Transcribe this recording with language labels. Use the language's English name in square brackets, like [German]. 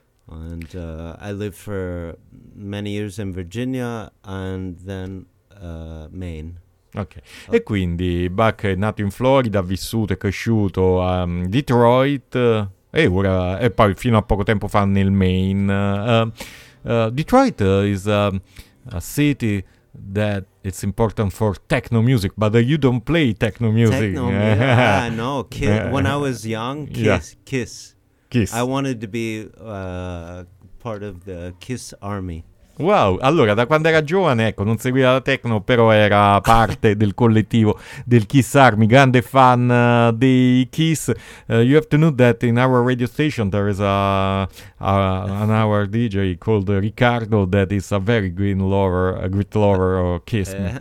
[English] And I lived for many years in Virginia and then Maine. Okay. [Italian] E quindi Buck è nato in Florida, ha vissuto e cresciuto a Detroit e ora e poi fino a poco tempo fa nel Maine. [English] Detroit is a city that it's important for techno music, but you don't play techno music. Techno music. No, Kiss. When I was young, Kiss. Kiss. I wanted to be part of the Kiss Army. [Italian] Wow, allora da quando era giovane, ecco, non seguiva la techno, però era parte del collettivo del Kiss Army, grande fan dei Kiss. [English] You have to know that in our radio station there is an our DJ called Riccardo that is a very great lover of Kiss.